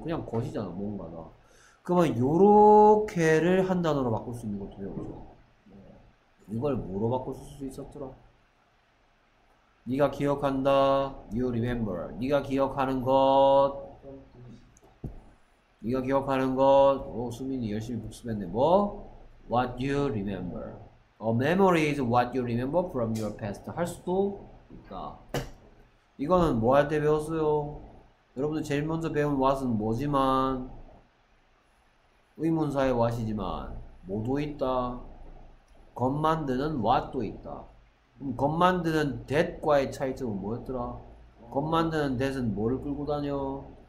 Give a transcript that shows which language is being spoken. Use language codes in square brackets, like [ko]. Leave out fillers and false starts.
[ko] 그냥 것이잖아, 뭔가가. 그러면 요렇게를 한 단어로 바꿀 수 있는 것도 배우죠. 이걸 뭐로 바꿀 수 있었더라? 네가 기억한다. [en] You remember. [ko] 네가 기억하는 것. 네가 기억하는 것. 오, 수민이 열심히 복습했네. 뭐? [en] What you remember. A memory is what you remember from your past. [ko] 할 수도 있다. 이거는 뭐 할 때 배웠어요? 여러분들 제일 먼저 배운 what은 뭐지만 의문사의 what이지만 뭐도 있다. 겉 만드는 what도 있다. 그럼 겉 만드는 that과의 차이점은 뭐였더라? 겉 만드는 that은 뭐를 끌고 다녀?